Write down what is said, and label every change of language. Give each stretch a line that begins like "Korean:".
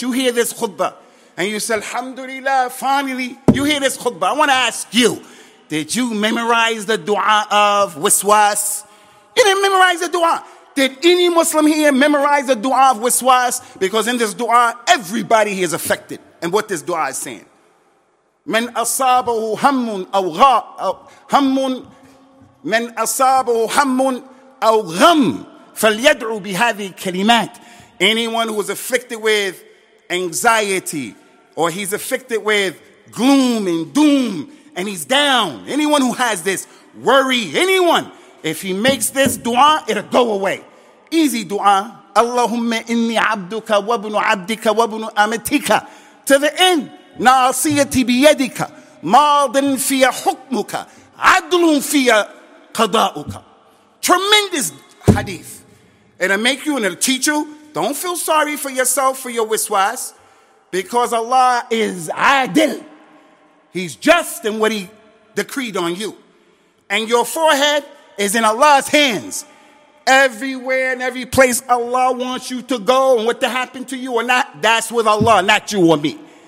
English: You hear this khutbah, and you say, Alhamdulillah, finally, you hear this khutbah. I want to ask you, did you memorize the dua of waswas? You didn't memorize the dua. Did any Muslim here memorize the dua of waswas? Because in this dua, everybody here is affected in what this dua is saying.
Arabic: من أصابه هم أو غاء هم من أصابه هم أو غم فليدعو بهذه الكلمات.
English: Anyone who is afflicted with anxiety, or he's afflicted with gloom and doom, and he's down. Anyone who has this worry, anyone, if he makes this dua, it'll go away. Easy dua.
Arabic: اللهم إني عبدك وابن عبدك وابن أمتك
English: to the end.
Arabic: ناصيتي بيدك ماض في حكمك عدل في قضاؤك.
English: Tremendous hadith. It'll make you and it'll teach you. Don't feel sorry for yourself, for your waswas, because Allah is adil. He's just in what he decreed on you. And your forehead is in Allah's hands. Everywhere and every place Allah wants you to go and what to happen to you or not, that's with Allah, not you or me.